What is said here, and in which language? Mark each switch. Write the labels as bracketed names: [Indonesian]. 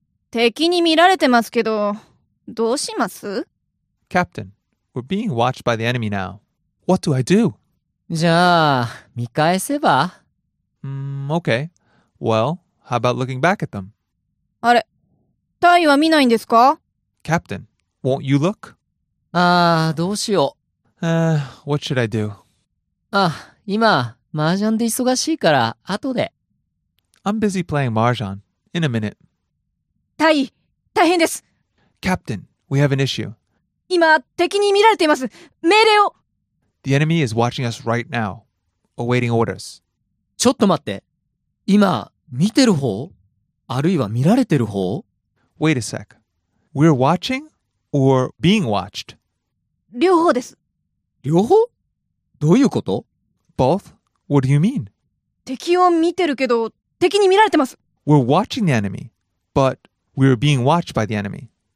[Japanese] 敵に見られてますけど、どうします？ [English] Captain, we're being watched by the enemy now. What do I do? [Japanese] じゃあ、見返せば？ [English] Okay. Well, how about looking back at them? [Japanese] あれ？大尉は見ないんですか？ [English] Captain, won't you look? [Japanese] ああ、どうしよう。 [English] What should I do? [Japanese] あ、今、麻雀で忙しいから、後で。 [English] I'm busy playing Mahjong. In a minute. [Japanese] 大尉、大変です。 [English] Captain, we have an issue. [Japanese] 今、敵に見られています。命令を。 [English] The enemy is watching us right now, awaiting orders. [Japanese] ちょっと待って。今、見てる方? あるいは見られてる方? [English] Wait a sec. We're watching or being watched? [Japanese] 両方です。両方?どういうこと? [English] Both? What do you mean? [Japanese] 敵を見てるけど、敵に見られてます。 [English] We're watching the enemy, but we're being watched by the enemy.